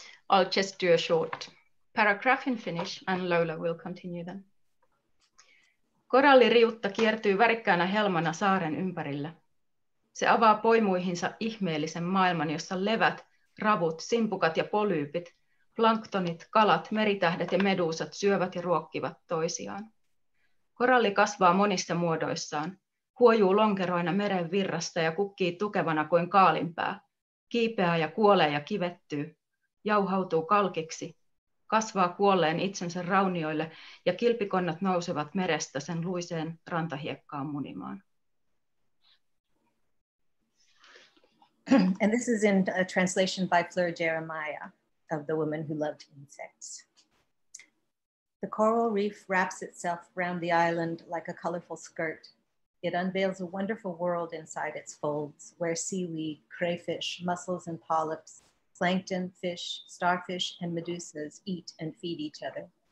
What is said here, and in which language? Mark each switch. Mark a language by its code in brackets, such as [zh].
[en] I'll just do a short paragraph in Finnish and Lola will continue then. [fi] Koralliriutta kiertyy värikkäänä helmana saaren ympärillä. Se avaa poimuihinsa ihmeellisen maailman, jossa levät, ravut, simpukat ja polyypit, planktonit, kalat, meritähdet ja meduusat syövät ja ruokkivat toisiaan. Koralli kasvaa monissa muodoissaan, huojuu lonkeroina meren virrasta ja kukkii tukevana kuin kaalinpää, kiipeää ja kuolee ja kivettyy, jauhautuu kalkiksi, kasvaa kuolleen itsensä raunioille ja kilpikonnat nousevat merestä sen luiseen rantahiekkaan munimaan. [en] And this is in a translation by Fleur Jeremiah of The Woman Who Loved Insects. The coral reef wraps itself around the island like a colorful skirt. It unveils a wonderful world inside its folds, where seaweed, crayfish, mussels and polyps, plankton, fish, starfish and medusas eat and feed each other.